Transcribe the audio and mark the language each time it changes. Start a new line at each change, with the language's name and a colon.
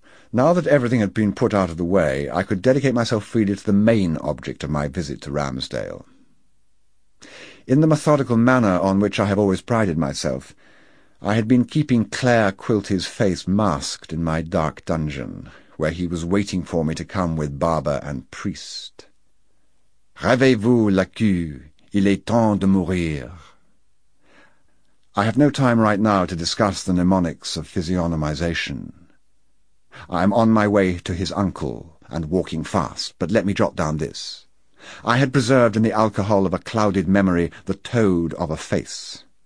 English: Now that everything had been put out of the way, I could dedicate myself freely to the main object of my visit to Ramsdale. In the methodical manner on which I have always prided myself, I had been keeping Claire Quilty's face masked in my dark dungeon, where he was waiting for me to come with barber and priest.
French: "Réveillez-vous, Lacu, il est temps de mourir."
English: I have no time right now to discuss the mnemonics of physiognomization. I am on my way to his uncle, and walking fast, but let me jot down this. I had preserved in the alcohol of a clouded memory the toad of a face.